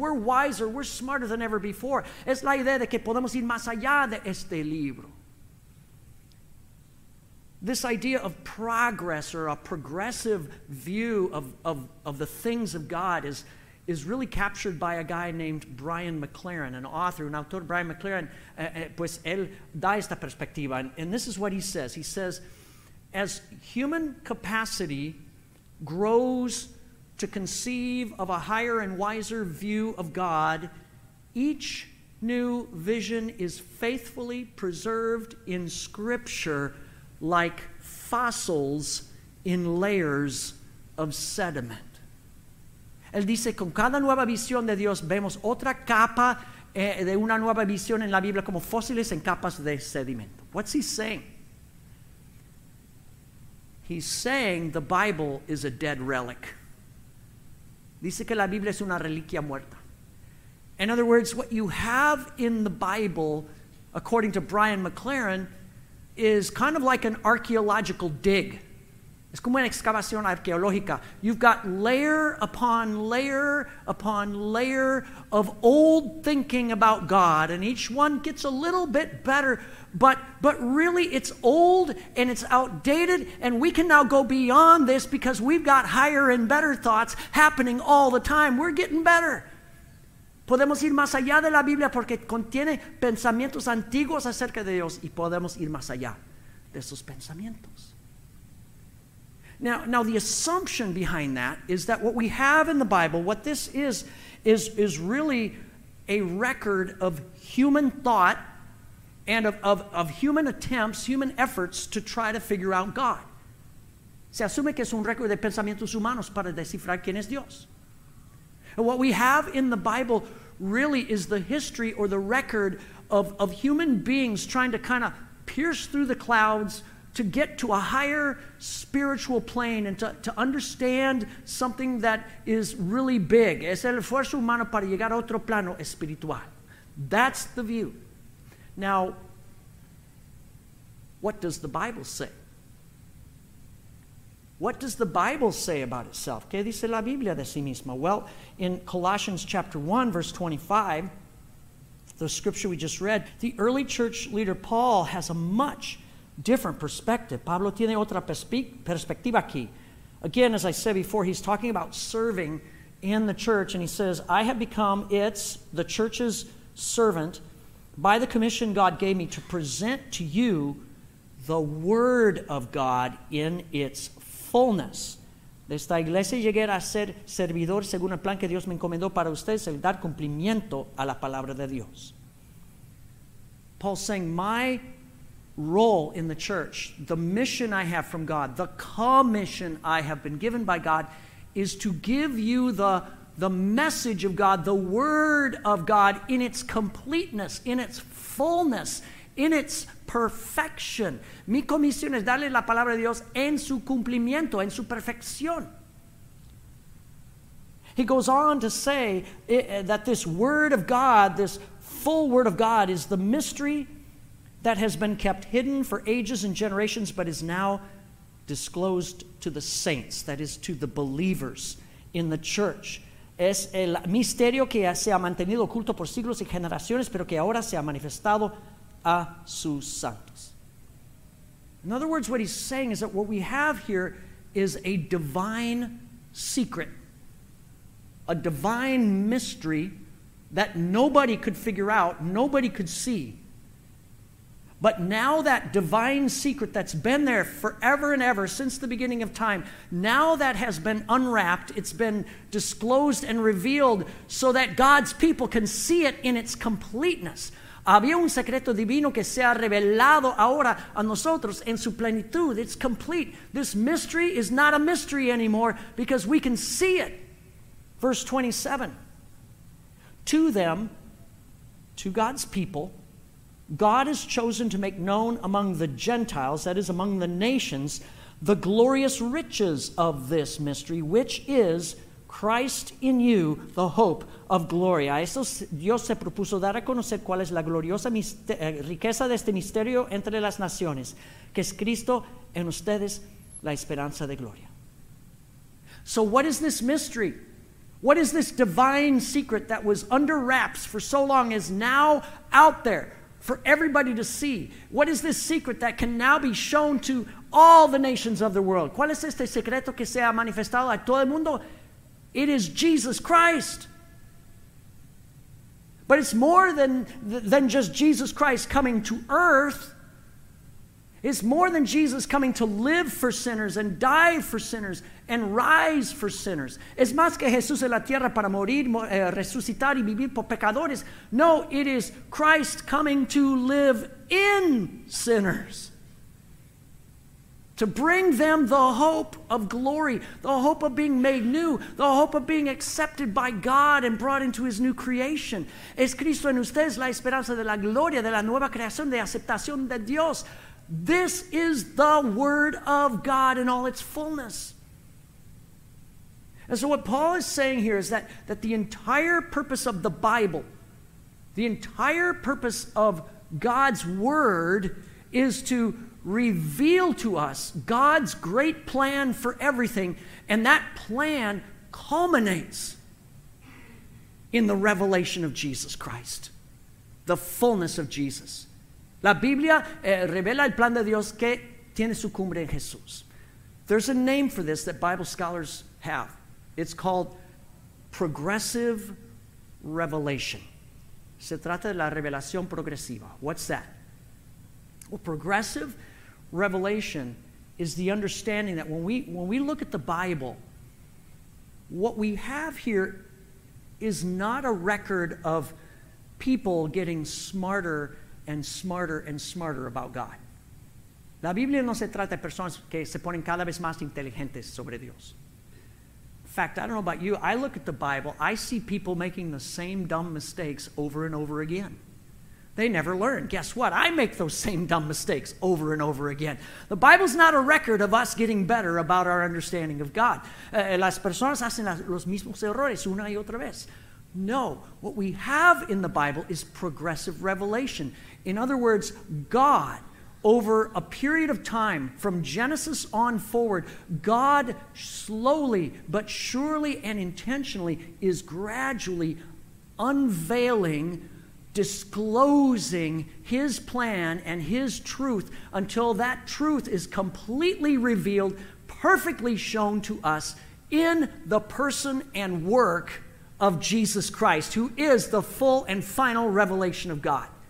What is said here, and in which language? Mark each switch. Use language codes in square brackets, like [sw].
[en] We're wiser. We're smarter than ever before. [es] Es la idea de que podemos ir más allá de este libro. [en] This idea of progress, or a progressive view of the things of God, is really captured by a guy named Brian McLaren, an author, [es] un autor, [en] Brian McLaren, [es] pues él da esta perspectiva. [en] And this is what he says. He says, as human capacity grows to conceive of a higher and wiser view of God, each new vision is faithfully preserved in Scripture like fossils in layers of sediment. [es] Él dice, con cada nueva visión de Dios vemos otra capa de una nueva visión en la Biblia como fósiles en capas de sedimento. [en] What's he saying? He's saying the Bible is a dead relic. [es] Dice que la Biblia es una reliquia muerta. [en] In other words, what you have in the Bible, according to Brian McLaren, is kind of like an archaeological dig. [es] Es como una excavación arqueológica. [en] You've got layer upon layer upon layer of old thinking about God, and each one gets a little bit better, but really it's old and it's outdated, and we can now go beyond this because we've got higher and better thoughts happening all the time. We're getting better. [es] Podemos ir más allá de la Biblia porque contiene pensamientos antiguos acerca de Dios, y podemos ir más allá de esos pensamientos. [en] Now the assumption behind that is that what we have in the Bible, what this is really a record of human thought and of human attempts, human efforts to try to figure out God. [es] Se asume que es un récord de pensamientos humanos para descifrar quién es Dios. [en] And what we have in the Bible really is the history, or the record of human beings trying to kind of pierce through the clouds to get to a higher spiritual plane and to understand something that is really big. [es] Es el esfuerzo humano para llegar a otro plano espiritual. [en] That's the view. Now, what does the Bible say? What does the Bible say about itself? [es] ¿Qué dice la Biblia de sí misma? [en] Well, in Colossians chapter 1, verse 25, the scripture we just read, the early church leader Paul has a much different perspective. [es] Pablo tiene otra perspectiva aquí. [en] Again, as I said before, he's talking about serving in the church, and he says, I have become the church's servant by the commission God gave me to present to you the word of God in its fullness. [es] De esta iglesia llegué a ser servidor según el plan que Dios me encomendó para ustedes, el dar cumplimiento a la palabra de Dios. [en] Paul's saying, my role in the church, the mission I have from God, the commission I have been given by God, is to give you the message of God, the word of God, in its completeness, in its fullness, in its perfection. [es] Mi comisión es darle la palabra de Dios en su cumplimiento, en su perfección. [en] He goes on to say that this word of God, this full word of God, is the mystery that has been kept hidden for ages and generations, but is now disclosed to the saints, that is, to the believers in the church. [es] Es el misterio que se ha mantenido oculto por siglos y generaciones, pero que ahora se ha manifestado a sus santos. [en] In other words, what he's saying is that what we have here is a divine secret, a divine mystery that nobody could figure out, nobody could see. But now that divine secret that's been there forever and ever since the beginning of time, now that has been unwrapped, it's been disclosed and revealed so that God's people can see it in its completeness. [es] Había un secreto divino que se ha revelado ahora a nosotros en su plenitud. [en] It's complete. This mystery is not a mystery anymore because we can see it. Verse 27. To them, to God's people, God has chosen to make known among the Gentiles, that is among the nations, the glorious riches of this mystery, which is Christ in you, the hope of glory. [es] A eso Dios se propuso dar a conocer cuál es la gloriosa riqueza de este misterio entre las naciones, que es Cristo en ustedes, la esperanza de gloria. [en] So what is this mystery? What is this divine secret that was under wraps for so long is now out there for everybody to see? What is this secret that can now be shown to all the nations of the world? [es] ¿Cuál es este secreto que se ha manifestado a todo el mundo? [en] It is Jesus Christ. But it's more than just Jesus Christ coming to earth. It's more than Jesus coming to live for sinners and die for sinners and rise for sinners. [es] Es más que Jesús en la tierra para morir, resucitar y vivir por pecadores. [en] No, it is Christ coming to live in sinners. To bring them the hope of glory, the hope of being made new, the hope of being accepted by God and brought into his new creation. [es] Es Cristo en ustedes la esperanza de la gloria, de la nueva creación, de aceptación de Dios. [en] This is the word of God in all its fullness. And so what Paul is saying here is that the entire purpose of the Bible, the entire purpose of God's word is to reveal to us God's great plan for everything, and that plan culminates in the revelation of Jesus Christ, the fullness of Jesus. [es] La Biblia revela el plan de Dios que tiene su cumbre en Jesús. [en] There's a name for this that Bible scholars have. It's called progressive revelation. [es] Se trata de la revelación progresiva. [en] What's that? Well, progressive revelation is the understanding that when we look at the Bible, what we have here is not a record of people getting smarter and smarter and smarter about God. [es] La Biblia no se trata de personas que se ponen cada vez más inteligentes sobre Dios. [en] In fact, I don't know about you, I look at the Bible, I see people making the same dumb mistakes over and over again. They never learn. Guess what? I make those same dumb mistakes over and over again. The Bible's not a record of us getting better about our understanding of God. [es] Las personas hacen los mismos errores una y otra vez. [en] No, what we have in the Bible is progressive revelation. In other words, God, over a period of time, from Genesis on forward, God slowly but surely and intentionally is gradually unveiling, disclosing his plan and his truth until that truth is completely revealed, perfectly shown to us in the person and work of Jesus Christ, who is the full and final revelation of God.